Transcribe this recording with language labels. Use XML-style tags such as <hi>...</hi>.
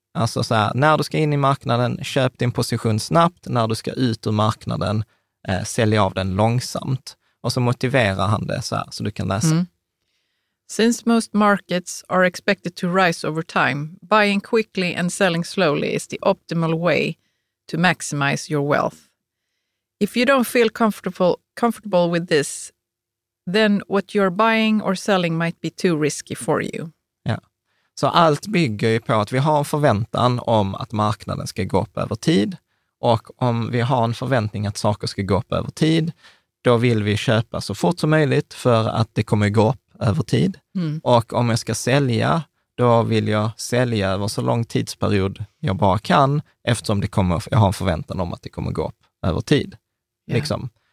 <sv>Alltså så här, när du ska in i marknaden, köp din position snabbt. När du ska ut ur marknaden, sälj av den långsamt. Och så motiverar han det så här, så du kan läsa. Mm.</sv> <en>Since most markets are expected to rise over time, buying quickly and selling slowly is the optimal way to maximize your wealth. If you don't feel comfortable with this, then what you're buying or selling might be too risky for you.</en> <sv>Ja. Så allt bygger ju på att vi har en förväntan om att marknaden ska gå upp över tid. Och om vi har en förväntning att saker ska gå upp över tid, då vill vi köpa så fort som möjligt för att det kommer gå upp över tid. Mm. Och om jag ska sälja, då vill jag sälja över så lång tidsperiod jag bara kan, eftersom jag har en förväntan om att det kommer gå upp över tid. Yeah. Liksom.</sv>